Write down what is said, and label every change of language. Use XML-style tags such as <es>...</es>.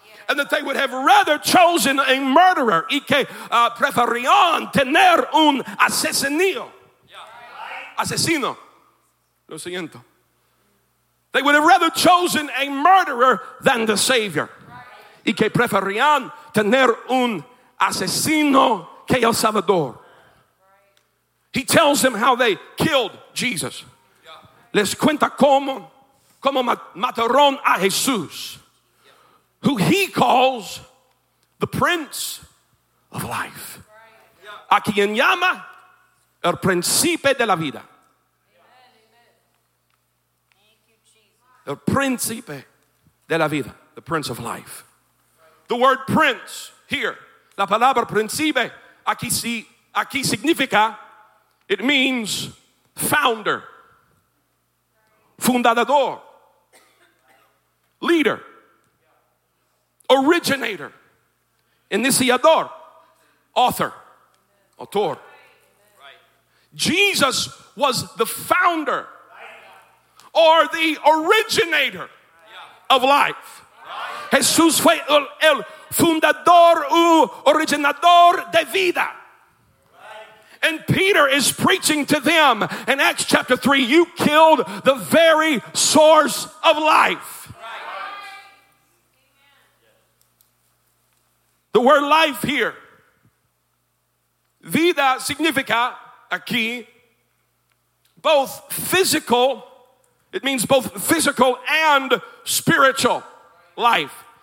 <en>And that they would have rather chosen a murderer</en> <es>y que preferían tener un asesino. Asesino. Lo siento.</es> <en>They would have rather chosen a murderer than the Savior.</en> <es>Y que preferían tener un asesino que el Salvador.</es> <en>He tells them how they killed Jesus.</en> <es>Les cuenta cómo mataron a Jesús,</es> <en>who he calls the Prince of Life.</en> <es>A quien llama el Príncipe de la Vida. El Príncipe de la Vida,</es> <en>the Prince of Life. The word prince here,</en> <es>la palabra príncipe, aquí significa,</es> <en>it means founder, fundador, leader, originator, iniciador, author, autor. Jesus was the founder or the originator of life.</en> <es>Jesús fue el fundador u originador de vida.</es> <en>And Peter is preaching to them in Acts chapter 3, you killed the very source of life. The word life here, vida,</en> <es>significa aquí</es> <en>both physical, it means both physical and spiritual life.</en>